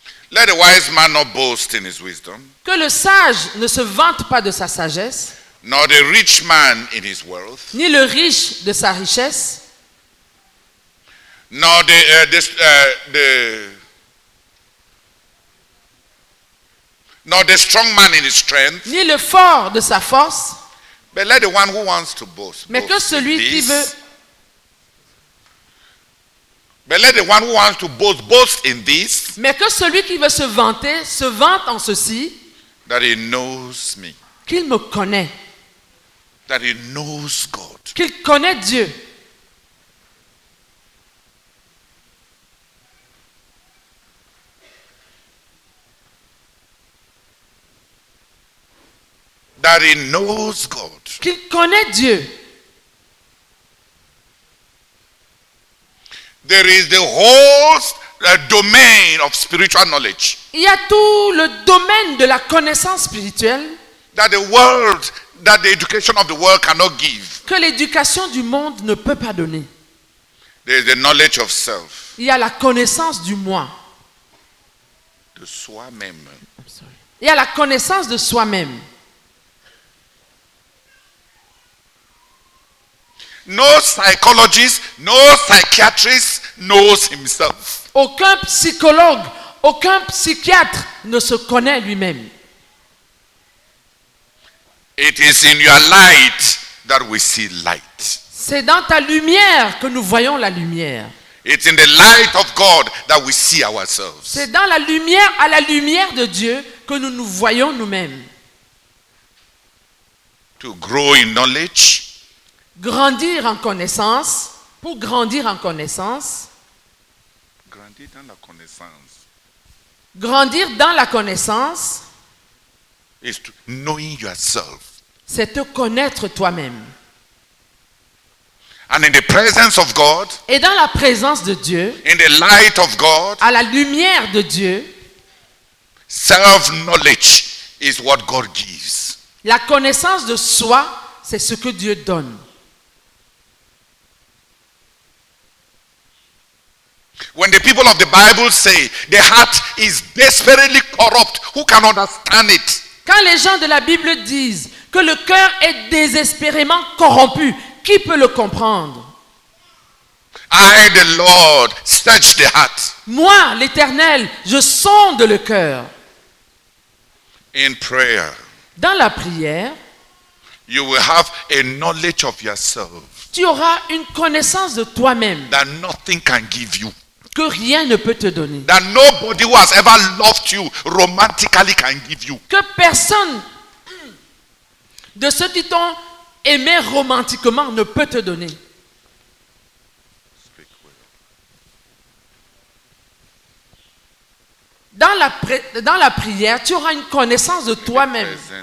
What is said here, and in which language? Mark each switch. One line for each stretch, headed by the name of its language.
English: Let the wise man not boast in his wisdom.
French: Que le sage ne se vante pas de sa sagesse.
English: Nor the rich man in his wealth.
French: Ni le riche de sa richesse.
English: Nor the strong man in his strength.
French: Ni le fort de sa force.
English: But let the one who wants to boast.
French: Mais que celui qui veut.
English: But let the one who wants to boast boast in this.
French: Mais que celui qui veut se vanter se vante en ceci.
English: That he knows me.
French: Qu'il me connaît.
English: That he knows God.
French: Qu'il connaît Dieu.
English: That he knows God.
French: Qu'il connaît Dieu.
English: There is the whole domain of spiritual knowledge.
French: Il y a tout le domaine de la connaissance spirituelle.
English: That the world, that the education of the world cannot give.
French: Que l'éducation du monde ne peut pas donner.
English: There is the knowledge of self.
French: Il y a la connaissance du moi. De soi-même. Il y a la connaissance de soi-même.
English: No psychologist, no psychiatrist knows himself.
French: Aucun psychologue, aucun psychiatre ne se connaît lui-même.
English: It is in your light that we see light.
French: C'est dans ta lumière que nous voyons la lumière.
English: It's in the light of God that we see ourselves.
French: C'est dans la lumière, à la lumière de Dieu, que nous nous voyons nous-mêmes.
English: To grow in knowledge.
French: Grandir en connaissance, pour grandir en connaissance. Grandir dans la connaissance. Grandir dans la connaissance.
English: Is to knowing yourself.
French: C'est te connaître toi-même.
English: And in the presence of God.
French: Et dans la présence de Dieu.
English: In the light of God.
French: À la lumière de Dieu.
English: Self-knowledge is what God gives.
French: La connaissance de soi, c'est ce que Dieu donne.
English: When the people of the Bible say the heart is desperately corrupt, who can understand it?
French: Quand les gens de la Bible disent que le cœur est désespérément corrompu, qui peut le comprendre?
English: I, the Lord, search the heart.
French: Moi, l'Éternel, je sonde le cœur.
English: In prayer.
French: Dans la prière.
English: You will have a knowledge of yourself.
French: Tu auras une connaissance de toi-même.
English: That nothing can give you.
French: Que rien ne peut te donner.
English: That nobody who has ever loved you romantically can give you.
French: Que personne de ceux qui t'ont aimé romantiquement ne peut te donner. Dans la prière, tu auras une connaissance de toi-même.